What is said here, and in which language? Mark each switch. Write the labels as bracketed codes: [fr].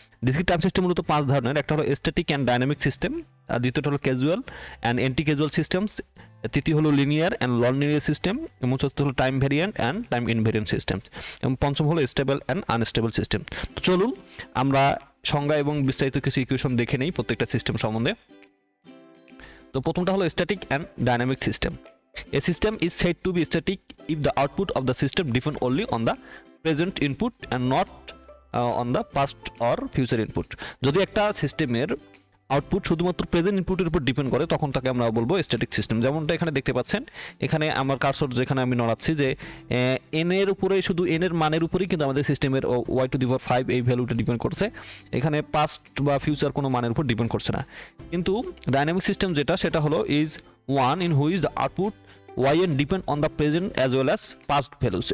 [bn] Discrete time system মূলত পাঁচ ধরনের, একটা হলো স্ট্যাটিক অ্যান্ড ডাইনামিক সিস্টেম, দ্বিতীয়টা হলো casual and anti casual systems, তৃতীয় হলো linear and non linear system, এবং চতুর্থ হলো time variant and time invariant systems, এবং পঞ্চম হলো স্টেবল অ্যান্ড আনস্টেবল সিস্টেম। তো চলুন আমরা সংজ্ঞা এবং বিস্তারিত কিছু ইকুয়েশন দেখে নিই প্রত্যেকটা সিস্টেম সম্বন্ধে। তো প্রথমটা হলো static and dynamic system. [en] A system is said to be static if the output of the system depends only on the present input and not on the past or future input. [bn] যদি একটা সিস্টেমের output শুধুমাত্র present ইনপুটের উপর depend করে তখন তাকে আমরা বলবো স্ট্যাটিক সিস্টেম। যেমনটা এখানে দেখতে পাচ্ছেন, এখানে আমার কার্সর যেখানে আমি নড়াচ্ছি যে এন এর উপরে, শুধু এন এর মানের উপরেই কিন্তু আমাদের সিস্টেমের ওয়াই টু দি পাওয়ার 5 এই ভ্যালুটা ডিপেন্ড করছে। এখানে পাস্ট বা ফিউচার কোনো মানের উপর ডিপেন্ড করছে না। কিন্তু ডাইনামিক সিস্টেম যেটা, সেটা হলো [en] Is one in which the output y n depend on the present as well as past values.